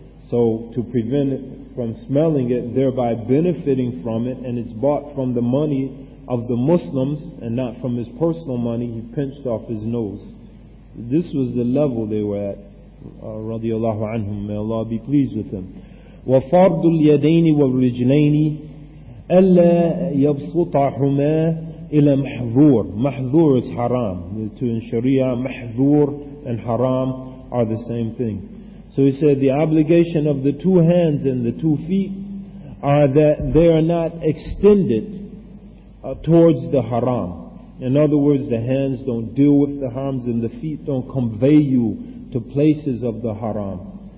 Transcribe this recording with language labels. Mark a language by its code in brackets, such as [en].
[en] So to prevent it from smelling it, thereby benefiting from it, and it's bought from the money of the Muslims and not from his personal money, he pinched off his nose. This was the level they were at, radiallahu anhum, may Allah be pleased with them. [ar] وفرض اليدين والرجلين ألا يبسطهما إلى محظور. [en] محظور is حرام. The two in Sharia, محظور and حرام, are the same thing. So he said the obligation of the two hands and the two feet are that they are not extended towards the haram. In other words, the hands don't deal with the harams and the feet don't convey you to places of the haram.